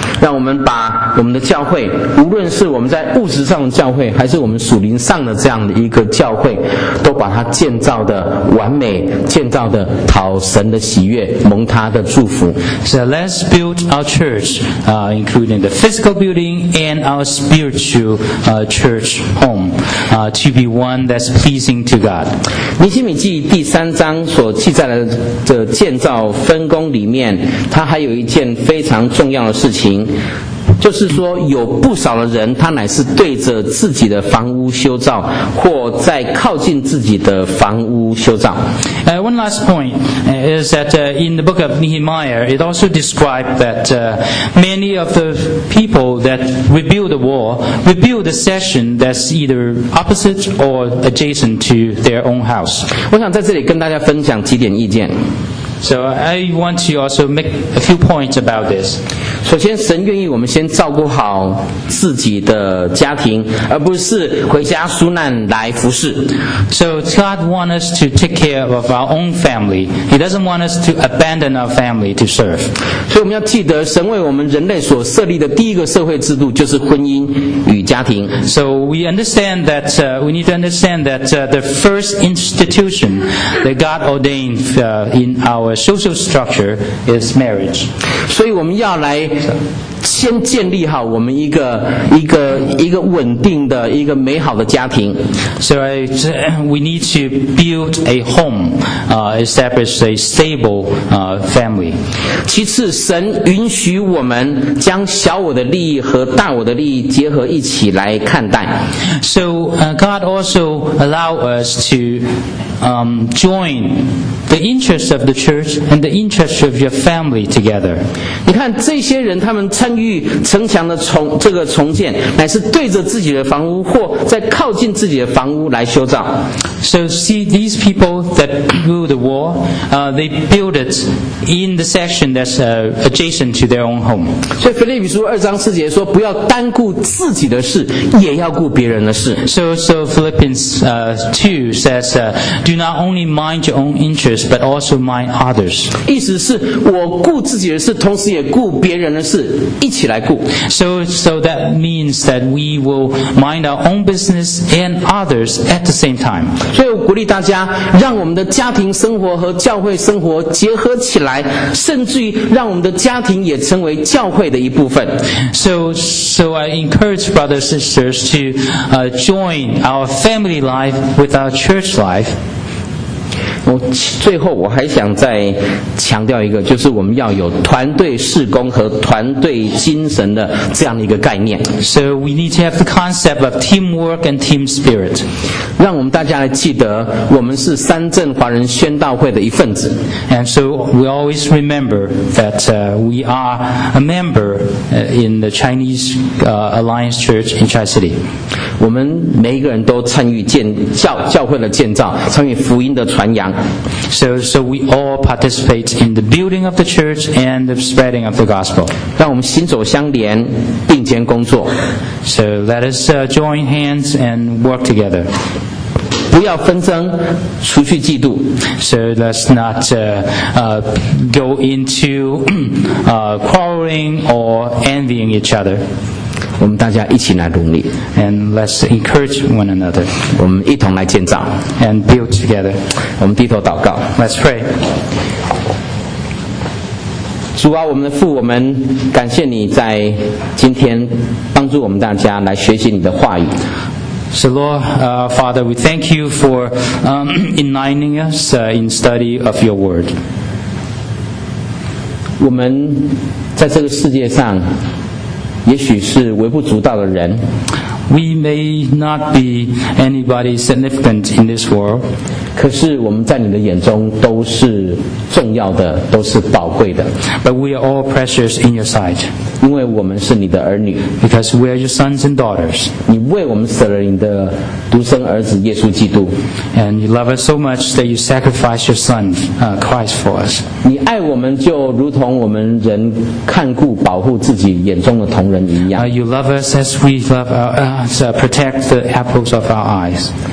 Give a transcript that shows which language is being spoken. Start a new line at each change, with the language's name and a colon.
Chinese: 让我们把我们的教会，无论是我们在物质上的教会，还是我们属灵上的这样的一个教会，都把它建造的完美，建造的讨神的喜悦，蒙他的祝福。
English: So let's build our church, including the physical building and our spiritual, church home, to be one that's pleasing to God.
Chinese: 尼希米记第三章所记载的这建造分工里面，它还有一件非常重要的事情。就是说有不少的人他乃是对着自己的房屋修造或在靠近自己的房屋修造。
English: One last point is that in the book of Nehemiah, it also described that many of the people that rebuild the wall rebuild a section that's either opposite or adjacent to their own house.
Chinese: 我想在这里跟大家分享几点意见。
English: So I want to also make a few points about this.
Chinese: 首先，神愿意我们先照顾好自己的家庭，而不是回家纾难来服侍。
English: So God wants us to take care of our own family. He doesn't want us to abandon our family to serve.
Chinese: 所以我们要记得，神为我们人类所设立的第一个社会制度就是婚姻与家庭。
English: So we understand that we need to understand that the first institution that God ordained in our social structure is marriage.
Chinese: 所以我们要来先建立好我们一个稳定的一个美好的家庭。
English: So we need to build a home, establish a stable, family.
Chinese: 其次，神允许我们将小我的利益和大我的利益结合一起来看待。
English: So God also allow us to, join the interests of the church and the interests of your family together.
Chinese: 你看这些人，他们参与城墙的重建，乃是对着自己的房屋或在靠近自己的房屋来修造。
English: So see these people that build the wall, they build it in the section that's adjacent to their own home.
Chinese: 所以腓立比书二章四节说，不要单顾自己的事，也要顾别人的事。
English: So Philippians 2 says, do not only mind your own interests, but also mind others.
Chinese: 意思是我顾自己的事，同时也顾别人的事。
English: So that means that we will mind our own business and others at the same time.
Chinese: 所以我鼓励大家，让我们的家庭生活和教会生活结合起来，甚至于让我们的家庭也成为教会的一部分。
English: So I encourage brothers and sisters to join our family life with our church life.
Chinese: 我最后我还想再强调一个，就是我们要有团队事工和团队精神的这样的一个概念。
English: So we need to have the concept of teamwork and team spirit.
Chinese: 让我们大家来记得，我们是三镇华人宣道会的一份子。
English: And so we always remember that we are a member in the Chinese Alliance Church in Tri-City.
Chinese: 我们每一个人都参与教会的建造，参与福音的传扬。
English: So we all participate in the building of the church and the spreading of the gospel.
Chinese: 让我们心手相连，并肩工作。
English: So let us join hands and work together.
Chinese: 不要纷争，除去嫉妒。
English: So let's not go into quarreling or envying each other.
Chinese: 我们大家一起来努力
English: and let's encourage one another.
Chinese: 我们一同来建造
English: and build together.
Chinese: 我们低头祷告
English: let's pray.
Chinese: 主啊，我们的父，我们感谢你在今天帮助我们大家来学习你的话语。
English: So Lord, Father, we thank you for enlightening us in study of your word.
Chinese: 我们在这个世界上。也许是微不足道的人。
English: We may not be anybody significant in this world.
Chinese: 可是我们在你的眼中都是重要的，都是宝贵的。
English: But we are all precious in your sight.
Chinese: 因为我们是你的儿女。
English: Because we are your sons and daughters.
Chinese: 你为我们舍了你的独生儿子耶稣基督。
English: And you love us so much that you sacrificed your son, Christ for us.
Chinese: 你爱我们就如同我们人看顾保护自己眼中的同人一样。
English: You love us as we love our, protect the apples of our eyes.